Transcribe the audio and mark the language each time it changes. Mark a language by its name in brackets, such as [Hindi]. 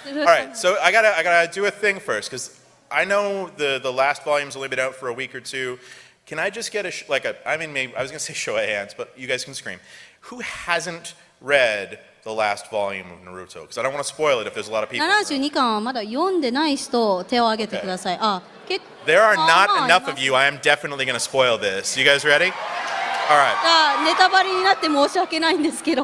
[English] All right, so I gotta do a thing first, because I know the last volume's only been out for a week or two. Can I just get I was gonna say show of hands, but you guys can scream. Who hasn't read the last volume of Naruto? Because I don't want to spoil it if there's a lot of people. [Japanese] 72巻はまだ読んでない人手を挙げてください。あ、結構。 [English] There are not enough of you. I am definitely going to spoil this. You guys ready? All right. [Japanese] あ、ネタバレになって申し訳ないんですけど。